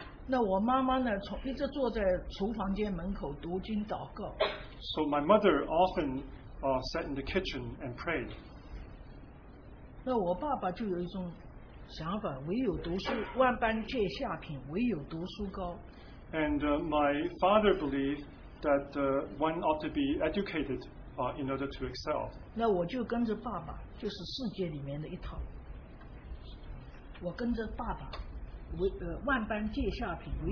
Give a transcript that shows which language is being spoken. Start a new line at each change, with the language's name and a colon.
Chinese: 那我妈妈呢, 一直坐在厨房间门口读经,
English: so my mother often sat in the kitchen and prayed.
Chinese: 那我爸爸就有一种想法, 唯有读书, 万般皆下品, 唯有读书高。
English: And my father believed that one ought to be educated in order to excel.
Chinese: 那我就跟着爸爸, 就是世界里面的一套, 我跟着爸爸, 万般皆下品,